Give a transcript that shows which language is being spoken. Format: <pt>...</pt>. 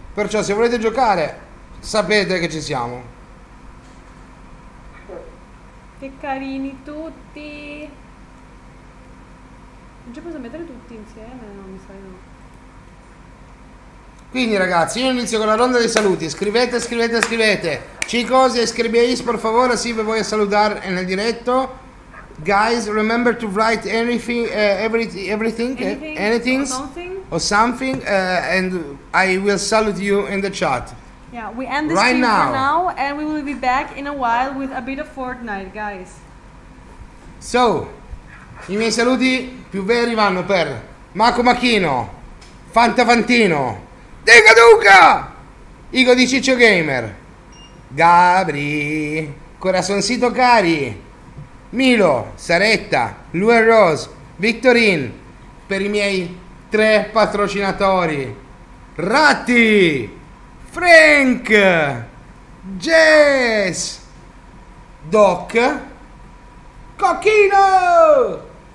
<it>Perciò, se volete giocare, sapete che ci siamo. Che carini tutti! Non ci posso mettere tutti insieme, non mi sai, no. Quindi ragazzi, io inizio con la ronda dei saluti. Scrivete, scrivete, scrivete.</it> <es>Chicos, escribéis, por favor, así me voy a saludar en el directo.</es> <en>Guys, remember to write anything, everything, anything, or something, and I will salute you in the chat. Yeah, we end this right stream now. For now, and we will be back in a while with a bit of Fortnite, guys.</en> <it>So, i miei saluti più veri vanno per Marco Machino, Fantafantino, Dica Duca, Igo di Ciccio Gamer, Gabri, Corazoncito Cari, Milo, Saretta, Lue Rose, Victorin, per i miei tre patrocinatori, Ratti, Frank, Jess, Doc, Cocchino.</it>